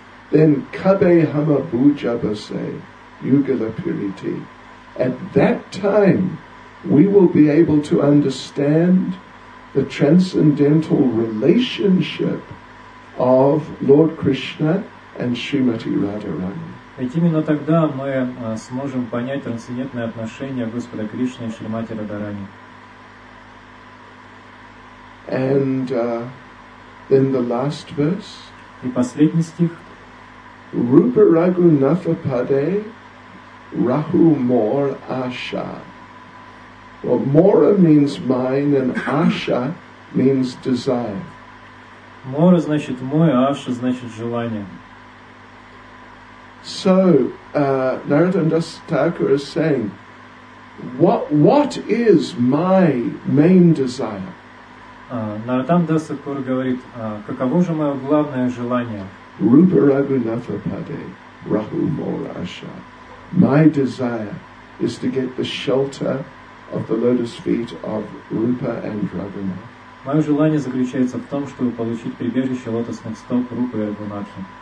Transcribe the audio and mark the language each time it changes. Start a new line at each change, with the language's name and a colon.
Bangla: Then kabe hama bhujabase yugala puriti.
English: At that time, we will be able to understand the transcendental relationship of Lord Krishna and Srimati Radharani.
Russian: Ведь именно тогда мы сможем понять трансцендентное отношение Господа Кришны и Шримати Радхарани.
English: And then the last verse.
Russian: И последний стих.
Bangla: Rupa Raghunatha Pade Rahu Mor Asha.
English: Well, Mora means mine and Asha means desire.
Russian: Mora значит мой, Asha значит желание.
English: So, Narottam Das Thakur is saying, what is my main desire?
Russian: Narottam Das Thakur говорит, каково же мое главное желание?
Bangla: Rupa Raghunatha Pade Rahu Mor Asha.
English: My desire is to get the shelter of the lotus feet of Rupa and Raghunath.
Russian: Моё желание заключается в том, чтобы получить прибежище лотосных стоп Рупы и Раганатхи.